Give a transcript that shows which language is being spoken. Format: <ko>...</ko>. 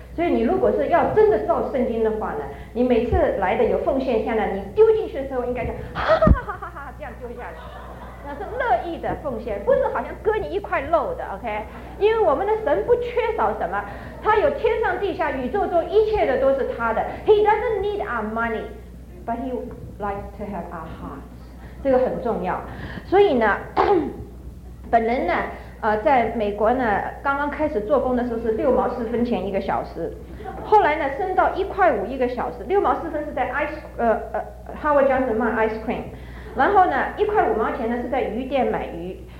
<zh>所以你如果是要真的照圣经的话呢，你每次来的有奉献下来，你丢进去的时候应该讲哈哈哈哈哈哈，这样丢下去，那是乐意的奉献，不是好像割你一块肉的。 OK， 因为我们的神不缺少什么，他有天上地下宇宙中一切的都是他的。</zh> <en>He doesn't need our money but he likes to have our heart，</en> <zh>这个很重要。所以呢，本人呢在美国呢刚刚开始做工的时候是6.4一个小时，后来呢升到1.5一个小时。 6.4是在 Howard Johnson 卖 ice cream， 然后呢1.5呢是在鱼店买鱼。</zh>